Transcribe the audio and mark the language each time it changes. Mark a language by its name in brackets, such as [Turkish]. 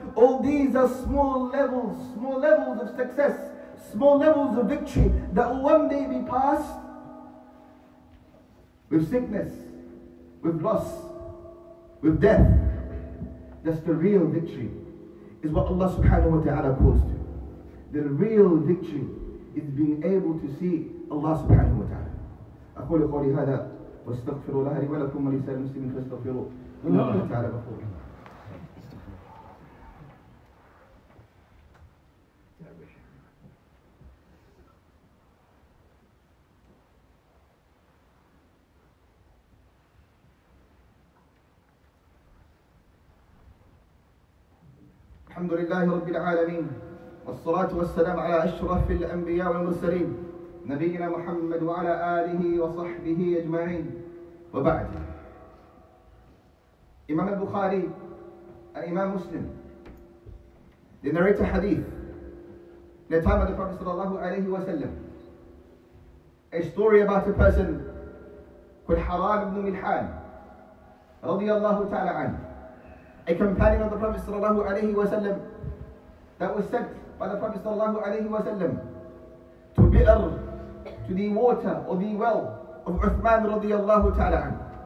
[English] All these are small levels of success, small levels of victory that will one day be passed with sickness, with loss, with death. That's the real victory, is what Allah subhanahu wa ta'ala calls to. The real victory is being able to see Allah subhanahu wa ta'ala. [Arabic] أقول قولي هذا واستغفر الله لي ولكم ولسائر المسلمين فاستغفروا إنه تعالى غفور. الحمد لله رب العالمين، والصلاة والسلام على أشرف الأنبياء والمرسلين نبينا محمد وعلى آله وصحبه أجمعين. وبعد، إمام البخاري الإمام مسلم [English] they narrate a hadith in the time of the Prophet [Arabic] صلى الله عليه وسلم, [English] a story about a person called Haram ibn Milhan [Arabic] رضي الله تعالى عنه, [English] a companion of the Prophet sallallahu alayhi wa sallam, that was sent by the Prophet sallallahu alayhi wa sallam to bi'r, to the water or the well of Uthman radiyallahu ta'ala an.